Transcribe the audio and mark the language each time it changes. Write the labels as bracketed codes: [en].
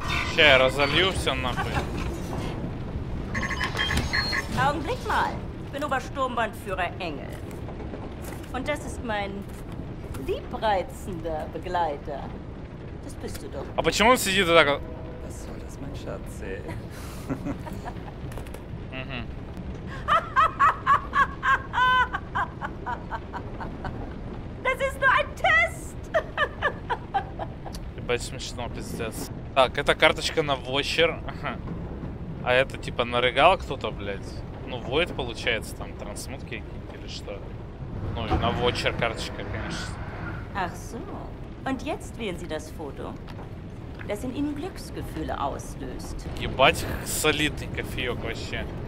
[ru] Сейчас я разолью все нахуй. [de] Augenblick mal. Ich bin Obersturmbandführer Engel. Und das ist mein liebreizender Begleiter. Das bist du doch. Aber warum sitzt du da? Was soll das, mein Schatz? Das ist nur ein Test. [ru] Ебать, смешно, пиздец. Так, это карточка на вочер. А это типа нарыгал кто-то, блядь. Ну, Void получается, там, трансмутки какие-то или что. Ну, и на Watcher карточка, конечно. [de] Ах, so. Und jetzt wählen Sie das Foto, das in Ihnen Glücksgefühle auslöst. [ru] Ебать, солидный кофеёк вообще.